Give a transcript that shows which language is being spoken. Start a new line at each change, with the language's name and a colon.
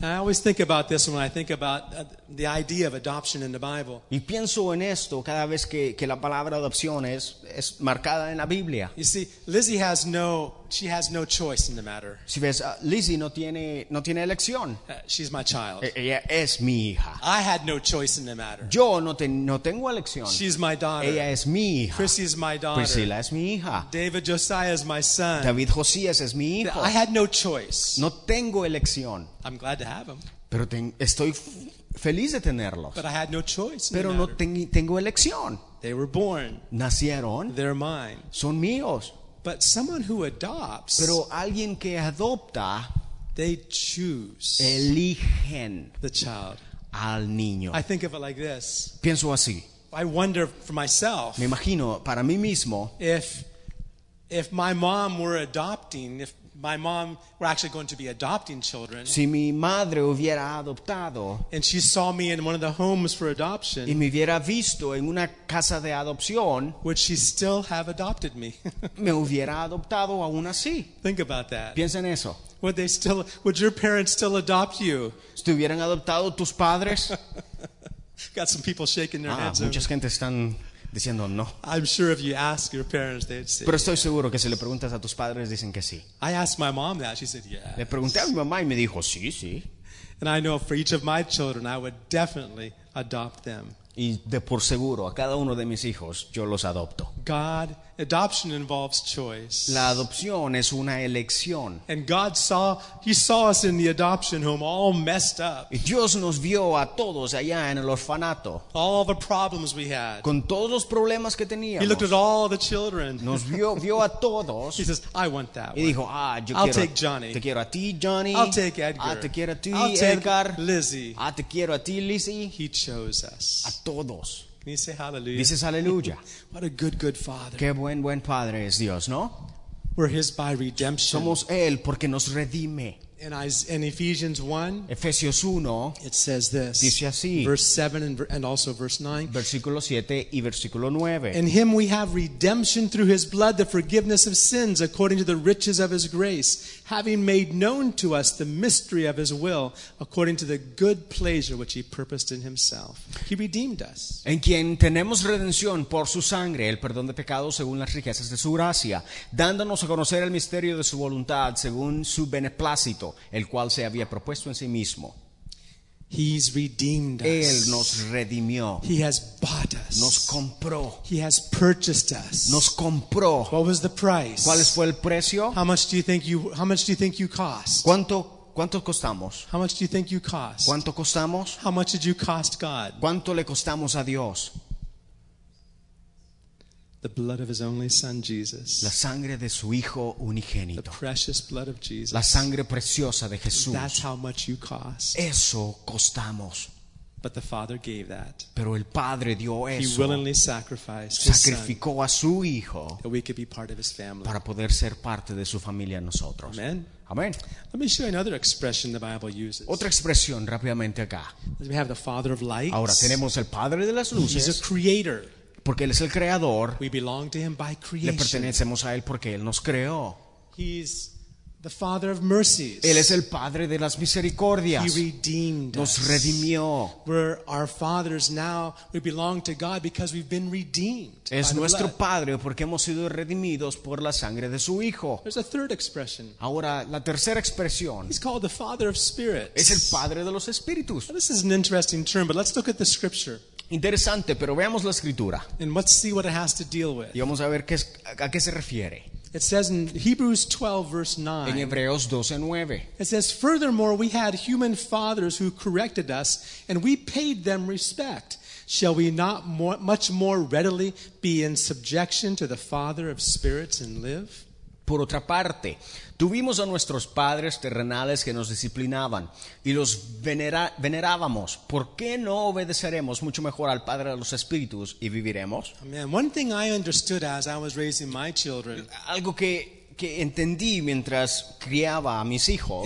English: I always think about this when I think about the idea of adoption in the Bible.
Spanish: Y pienso en esto cada vez que la palabra adopción es marcada en la Biblia.
English: You see, Lizzie has no. She has no choice in the matter.
Spanish: Si ves, Lizzie no tiene elección.
English: She's my child.
Spanish: Ella es mi hija.
English: I had no choice in the matter.
Spanish: Yo no tengo elección.
English: She's my daughter.
Spanish: Ella es mi hija.
English: Chrissy is my daughter.
Spanish: Priscila es mi hija.
English: David Josiah is my son.
Spanish: David Josías es mi hijo.
English: I had no choice.
Spanish: No tengo elección.
English: I'm glad to have him.
Spanish: Pero estoy feliz de tenerlos.
English: But I had no choice.
Spanish: Pero no tengo elección.
English: They were born.
Spanish: Nacieron.
English: They're mine.
Spanish: Son míos.
English: But someone who adopts,
Spanish: pero alguien que adopta,
English: they choose.
Spanish: Eligen
English: the child.
Spanish: Al niño.
English: I think of it like this.
Spanish: Pienso así.
English: I wonder for myself.
Spanish: Me imagino para mí mismo.
English: If my mom were adopting, if my mom were actually going to be adopting children.
Spanish: Si mi madre hubiera adoptado.
English: And she saw me in one of the homes for adoption.
Spanish: Y me hubiera visto en una casa de adopción.
English: Would she still have adopted me?
Spanish: Me hubiera adoptado aún así.
English: Think about that.
Spanish: Piensa en eso.
English: Would your parents still adopt you?
Spanish: Si te hubieran adoptado tus padres.
English: Got some people shaking their heads.
Spanish: Mucha gente están diciendo no.
English: I'm sure if you ask your parents, they'd say.
Spanish: Pero estoy seguro que si le preguntas a tus padres dicen que sí.
English: I asked my mom that. She said, yeah.
Spanish: Le pregunté a mi mamá y me dijo, sí, sí.
English: And I know for each of my children, I would definitely adopt them.
Spanish: Y de por seguro, a cada uno de mis hijos, yo los adopto.
English: God, adoption involves choice.
Spanish: La adopción es una elección.
English: And God saw, he saw us in the adoption home all messed up.
Spanish: Y Dios nos vio a todos allá en el orfanato.
English: All the problems we had.
Spanish: Con todos los problemas que teníamos.
English: He looked at all the children.
Spanish: Nos vio a todos.
English: He says, I want that one.
Spanish: Y dijo, ah, yo
English: I'll
Spanish: quiero,
English: take Johnny.
Spanish: Te quiero a ti, Johnny.
English: I'll take Edgar.
Spanish: Ah, te quiero a ti,
English: I'll
Spanish: Edgar.
English: Take Lizzie.
Spanish: Ah, te quiero a ti, Lizzie.
English: He chose us.
Spanish: A todos.
English: Can you say hallelujah?
Spanish: Dices hallelujah.
English: What a good father.
Spanish: Qué buen padre es Dios, ¿no?
English: We're his by redemption.
Spanish: Somos él porque nos redime.
English: In Ephesians 1,
Spanish: Efesios 1,
English: it says this.
Spanish: Dice así.
English: Verse 7 and also verse 9.
Spanish: Versículo 7 y versículo 9.
English: In him we have redemption through his blood, the forgiveness of sins according to the riches of his grace, having made known to us the mystery of his will according to the good pleasure which he purposed in himself. He redeemed us.
Spanish: En quien tenemos redención por su sangre, el perdón de pecados según las riquezas de su gracia, dándonos a conocer el misterio de su voluntad según su beneplácito, el cual se había propuesto en sí mismo.
English: He's redeemed us.
Spanish: Él nos redimió.
English: He has bought us.
Spanish: Nos compró.
English: He has purchased us.
Spanish: Nos compró.
English: What was the price?
Spanish: ¿Cuál fue el precio?
English: How much do you think you cost?
Spanish: ¿Cuánto costamos?
English: How much do you think you cost?
Spanish: ¿Cuánto costamos?
English: How much did you cost God?
Spanish: ¿Cuánto le costamos a Dios?
English: The blood of his only son Jesus.
Spanish: La sangre de su hijo unigénito.
English: The precious blood of Jesus.
Spanish: La sangre preciosa de Jesús.
English: That's how much you cost.
Spanish: Eso costamos.
English: But the Father gave that.
Spanish: Pero el Padre dio eso.
English: He willingly sacrificed
Spanish: sacrificó
English: his son
Spanish: a su hijo.
English: That we could be part of his family.
Spanish: Para poder ser parte de su familia nosotros.
English: Amen.
Spanish: Amen.
English: Let me show you another expression the Bible uses.
Spanish: Otra expresión rápidamente acá.
English: We have the Father of lights.
Spanish: Ahora tenemos el Padre de las luces.
English: He's a creator.
Spanish: Porque él es el creador.
English: We belong to him by creation.
Spanish: Le pertenecemos a él porque él nos creó.
English: He's the Father of mercies.
Spanish: Él es el padre de las misericordias.
English: He redeemed
Spanish: nos redimió.
English: We're our fathers now. We belong to God because we've been redeemed.
Spanish: Es nuestro padre porque hemos sido redimidos por la sangre de su hijo.
English: There's a third expression.
Spanish: Ahora la tercera expresión.
English: He's called the Father of spirits.
Spanish: Es el padre de los espíritus.
English: Now, this is an interesting term, but let's look at the scripture.
Spanish: Interesante, pero veamos la escritura.
English: And let's see what it has to deal with.
Spanish: Y vamos a ver a qué se refiere.
English: It says in Hebrews 12, verse 9.
Spanish: En Hebreos 12, 9.
English: It says, furthermore, we had human fathers who corrected us, and we paid them respect. Shall we not much more readily be in subjection to the Father of spirits and live?
Spanish: Por otra parte, tuvimos a nuestros padres terrenales que nos disciplinaban y los venerábamos. ¿Por qué no obedeceremos mucho mejor al Padre de los Espíritus y viviremos?
English: Amen. One thing I understood as I was raising my children.
Spanish: Algo que entendí mientras criaba a mis hijos.